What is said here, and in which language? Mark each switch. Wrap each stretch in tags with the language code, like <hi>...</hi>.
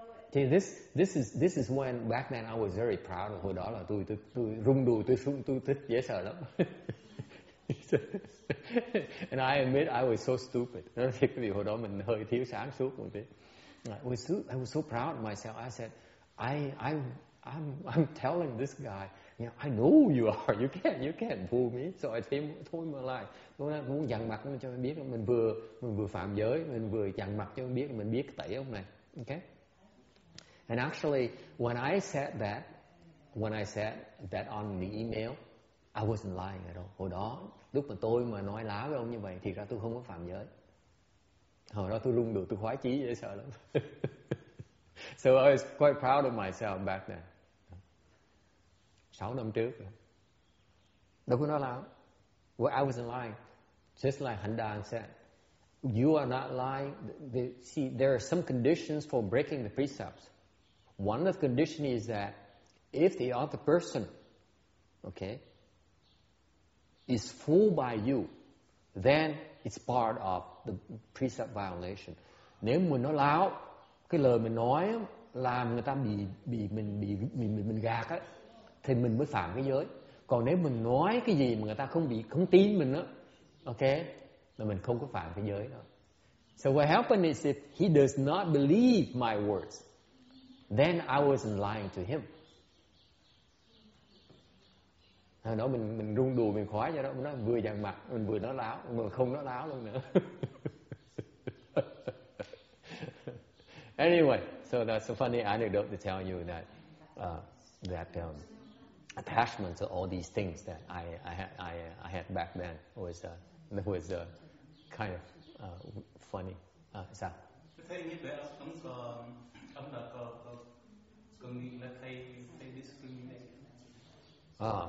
<en>Okay, this is when back then I was very proud.</en> <vi>Hồi đó là tôi rung đùi, tôi thích dễ sợ lắm.</vi> <en>And I admit I was so stupid.</en> <vi>Vì hồi đó mình hơi thiếu sáng suốt một tí.</vi> <en>I was so proud of myself. I said, I'm telling this guy, you know, I know who you are. You can't fool me. So I told him a lie.</en> <vi>Tôi muốn dằn mặt cho anh biết mình vừa phạm giới, mình vừa dằn mặt cho anh biết mình biết tẩy ông này.</vi> <en>Okay. And actually, when I said that on the email, I wasn't lying at all.</en> <vi>Hồi đó, lúc mà tôi mà nói láo với ông như vậy, thì ra tôi không có phạm giới. Hồi đó tôi rung đùi, tôi khoái chí dễ sợ lắm.</vi> <en>So I was quite proud of myself back then.</en> <vi>6 năm trước. Đâu có nói láo.</vi> <en>Well, I wasn't lying. Just like Hành Đàn said, you are not lying. See, there are some conditions for breaking the precepts. One of the conditions is that if the other person, okay, is fooled by you, then it's part of the precept violation.</en> <vi>Nếu mình nói láo, cái lời mình nói làm người ta bị mình gạt á, thì mình mới phạm cái giới. Còn nếu mình nói cái gì mà người ta không tin mình á, okay, là mình không có phạm cái giới đó.</vi> <en>So what happened is if he does not believe my words, then I wasn't lying to him.</en> <vi>Hồi đó mình rung đùi, mình khoái cho đó, mình nói vừa dằn mặt, mình vừa nói láo, mình không nói láo luôn nữa.</vi> <en>Anyway, so that's a funny anecdote to tell you that that attachment to all these things that I had back then was kind of funny.</en> <vi>Sao?</vi>